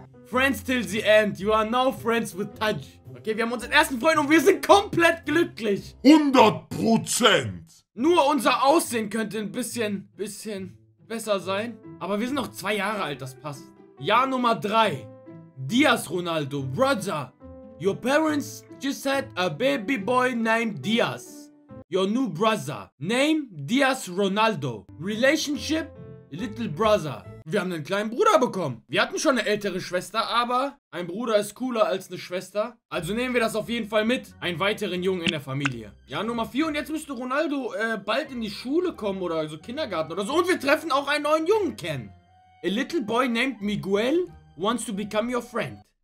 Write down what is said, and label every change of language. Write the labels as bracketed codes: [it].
[en] Friends till the end. You are now friends with Taj. [de] Okay, wir haben unseren ersten Freund und wir sind komplett glücklich. 100%. Nur unser Aussehen könnte ein bisschen besser sein. Aber wir sind noch 2 Jahre alt, das passt. Jahr Nummer 3. Diaz Ronaldo, brother. [en] Your parents just had a baby boy named Diaz. Your new brother. Name Diaz Ronaldo. Relationship, little brother. [de] Wir haben einen kleinen Bruder bekommen. Wir hatten schon eine ältere Schwester, aber ein Bruder ist cooler als eine Schwester. Also nehmen wir das auf jeden Fall mit. Einen weiteren Jungen in der Familie. Ja, Nummer 4. Und jetzt müsste Ronaldo bald in die Schule kommen oder so Kindergarten oder so. Und wir treffen auch einen neuen Jungen kennen. [en] A little boy named Miguel wants to become your friend.